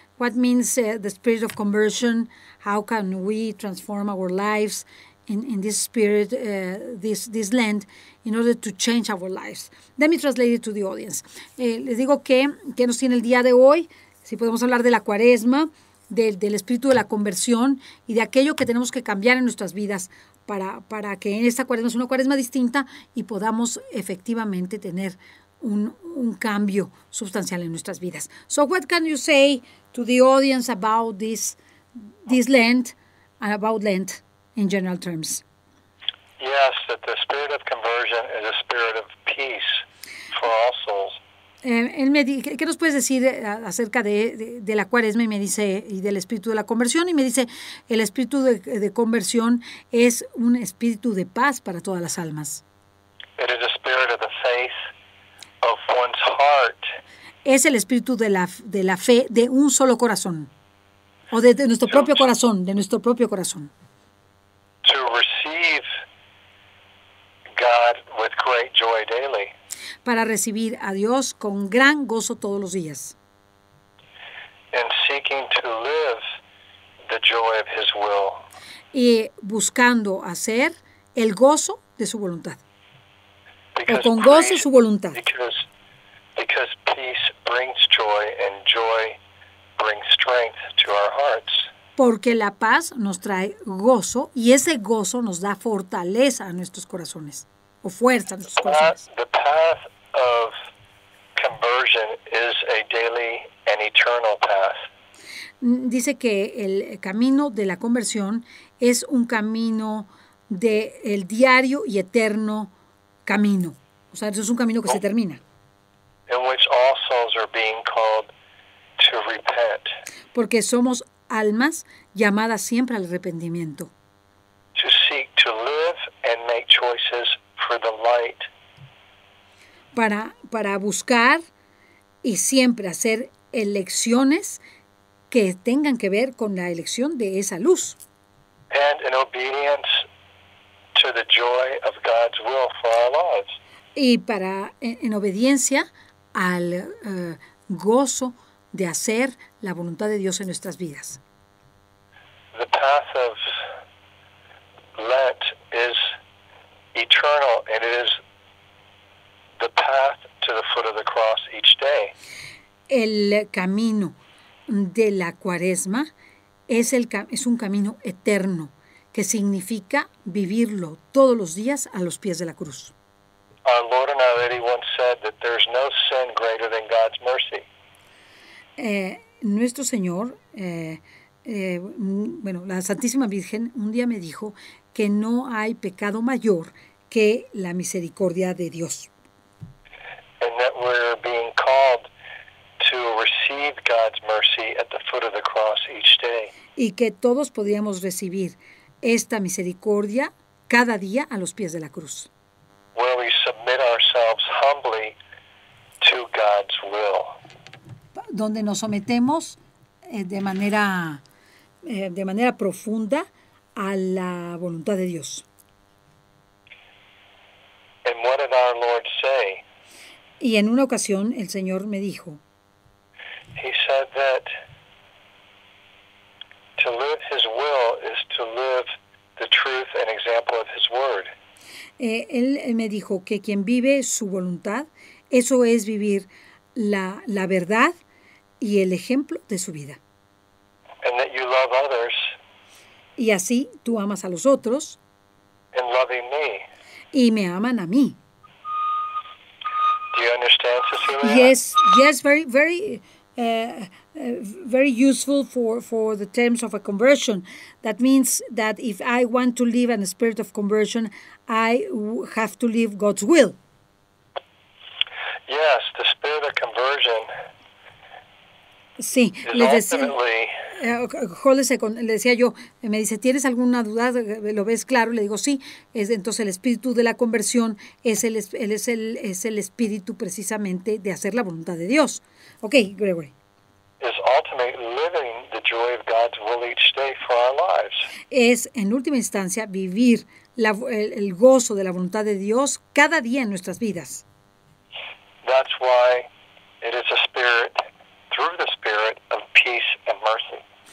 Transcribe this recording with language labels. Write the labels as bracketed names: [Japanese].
[English] What means the spirit of conversion? How can we transform our lives in this spirit, this land, in order to change our lives? Let me translate it to the audience. [Spanish] Les digo que nos tiene el día de hoy, si podemos hablar de la cuaresma, del espíritu de la conversión y de aquello que tenemos que cambiar en nuestras vidas para que en esta cuaresma sea una cuaresma distinta y podamos efectivamente tener un cambio sustancial en nuestras vidas. [English] So what can you say to the audience about this land and about land in general terms? Yes, that the spirit of conversion is a spirit of peace for all souls. [Spanish] ¿Qué nos puedes decir acerca de la cuaresma y me dice y del espíritu de la conversión? Y me dice, el espíritu de conversión es un espíritu de paz para todas las almas. [English] It is a spirit of the faith of one's heart. [Spanish] Es el espíritu de la fe de un solo corazón. O de nuestro propio corazón. [English] To receive God with great joy daily. [Spanish] Para recibir a Dios con gran gozo todos los días. [English] And seeking to live the joy of His will. [Spanish] Y buscando hacer el gozo de su voluntad. [English] Because [Spanish] o con gozo su voluntad. [English] Because peace brings joy and joy brings strength to our hearts. [Spanish] Porque la paz nos trae gozo y ese gozo nos da fortaleza a nuestros corazones o fuerza a nuestros corazones. [English] The path of conversion is a daily and eternal path. [Spanish] Dice que el camino de la conversión es un camino del diario y eterno camino. O sea, eso es un camino que se termina. [English] In which all souls are being called to repent. [Spanish] Porque somos almas llamadas siempre al arrepentimiento. [English] To seek to live and make choices for the light. [Spanish] Para buscar y siempre hacer elecciones que tengan que ver con la elección de esa luz. [English] And in obedience to the joy of God's will for our lives. [Spanish] Y para en obediencia al gozo de hacer la voluntad de Dios en nuestras vidas. [English] The path of Lent is eternal, and it is the path to the foot of the cross each day. [Spanish] El camino de la cuaresma es un camino eterno, que significa vivirlo todos los días a los pies de la cruz. [English] Our Lord and Our Lady once said that there's no sin greater than God's mercy. [Spanish] Nuestro Señor, la Santísima Virgen un día me dijo que no hay pecado mayor que la misericordia de Dios. [English] And that we're being called to receive God's mercy at the foot of the cross each day. [Spanish] Y que todos podríamos recibir esta misericordia cada día a los pies de la cruz. [English] Where we submit ourselves humbly to God's will. [Spanish] Donde nos sometemos de manera profunda a la voluntad de Dios. [English] And what did our Lord say? [Spanish] Y en una ocasión el Señor me dijo. [English] He said that to live His will is to live the truth and example of His word. [Spanish] Él me dijo que quien vive su voluntad, eso es vivir la verdad y el ejemplo de su vida. [English] And that you love others. [Spanish] Y así tú amas a los otros. [English] And loving me. [Spanish] Y me aman a mí. [English] Do you understand, Cecilia? Yes, very, very. Very useful for the terms of a conversion. That means that if I want to live in a spirit of conversion, I have to live God's will. Yes, the spirit of conversion. [Spanish] Sí, le decía. Jóles, le decía yo, me dice, ¿tienes alguna duda? ¿Lo ves claro? Le digo, sí. Entonces, el espíritu de la conversión es el espíritu precisamente de hacer la voluntad de Dios. [English] Ok, Gregory. Is ultimately living the joy of God's will each day for our lives. [Spanish] Es en última instancia vivir el gozo de la voluntad de Dios cada día en nuestras vidas. [English] That's why it is a spirit through the spirit of peace and mercy.